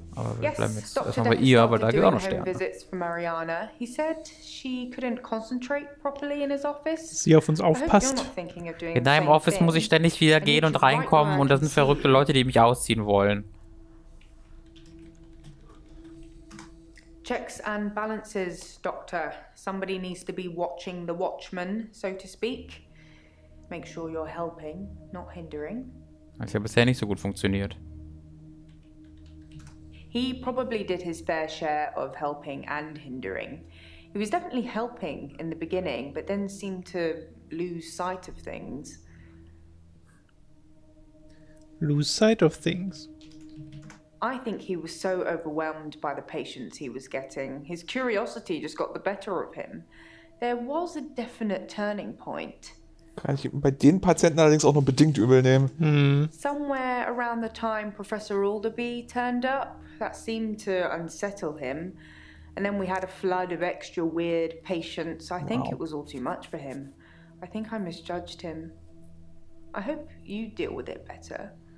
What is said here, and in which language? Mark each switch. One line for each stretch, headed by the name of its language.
German: Aber wir bleiben jetzt erstmal bei ihr, aber da geht auch noch Sterne.
English: Visits for Mariana. He said she couldn't concentrate properly in his office.
German: Sie auf uns aufpasst. In deinem Office muss ich ständig wieder gehen und reinkommen und da sind verrückte Leute, die mich ausziehen wollen.
English: Checks and balances, Doctor. Somebody needs to be watching the watchman, so to speak. Make sure you're helping, not hindering.
German: Hat ja bisher nicht so gut funktioniert.
English: He probably did his fair share of helping and hindering. He was definitely helping in the beginning, but then seemed to lose sight of things. Lose sight of things? I think he was so overwhelmed by the patients he was getting. His curiosity just got the better of him. There was a definite turning point.
German: Kann ich bei den Patienten allerdings auch nur bedingt übel nehmen.
English: Somewhere around the time Professor Alderby turned up, that seemed to unsettle him. And then we had a flood of extra weird patients. I think it was all too much for him. I think I misjudged him. I hope you deal with it better.